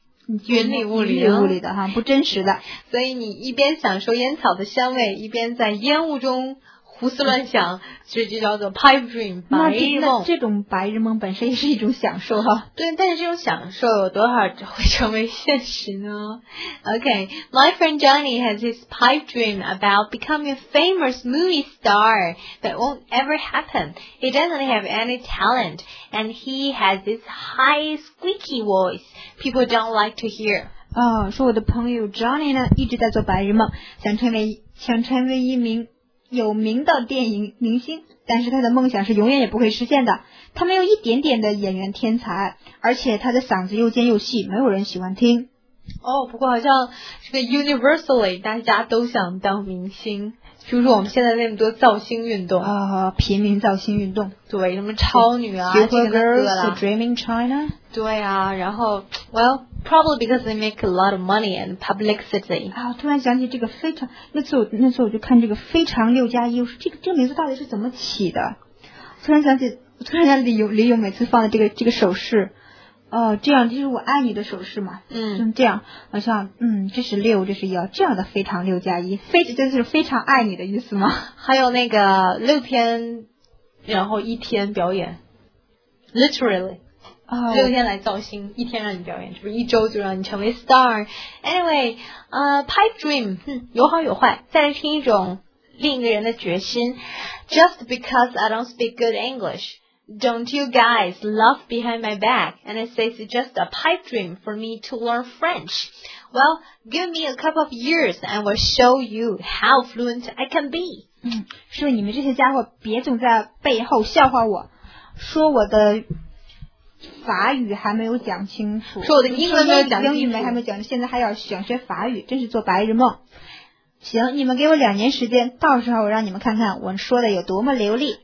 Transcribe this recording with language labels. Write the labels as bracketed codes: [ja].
[zh] 云里雾里，不真实的。所以你一边享受烟草的香味，一边在烟雾中。胡思乱想，这就叫做 pipe dream 白日梦。这种白日梦本身也是一种享受哈。对，但是这种享受有多少会成为现实呢？ [en] Okay， my friend Johnny has his pipe dream about becoming a famous movie star that won't ever happen. He doesn't have any talent and he has this high squeaky voice people don't like to hear. [zh] 说我的朋友 Johnny 呢一直在做白日梦，想成为一名有名的电影明星，但是他的梦想是永远也不会实现的。他没有一点点的演员天才，而且他的嗓子又尖又细，没有人喜欢听。哦，不过好像这个 universally 大家都想当明星，就是我们现在那么多造星运动啊，平民造星运动，对，什么超女啊 [en] ，Supergirls Dreaming China， [zh] 对啊，然后 [en] well probably because they make a lot of money and publicity [zh] 啊，突然想起这个非常，那次我就看这个非常六加一，我说这个名字到底是怎么起的？突然想起李咏每次放的这个手势。哦，这样就是我爱你的手势嘛，嗯，就这样，好像，嗯，这是六，这是幺，这样的非常六加一，非就是非常爱你的意思吗？还有那个六天，然后一天表演 ，literally，、哦、六天来造星，一天让你表演，这不是一周就让你成为 star。 Anyway， pipe dream， 有好有坏，再来听一种另一个人的决心 ， [en] just because I don't speak good English。 Don't you guys laugh behind my back? And it says it's just a pipe dream for me to learn French. Well, give me a couple of years and I will show you how fluent I can be. [zh] 嗯，是你们这些家伙别总在背后笑话我，说我的法语还没有讲清楚，说我的英文没有讲清楚，英语还没有讲，现在还要想学法语，真是做白日梦。行，你们给我两年时间，到时候我让你们看看我说的有多么流利。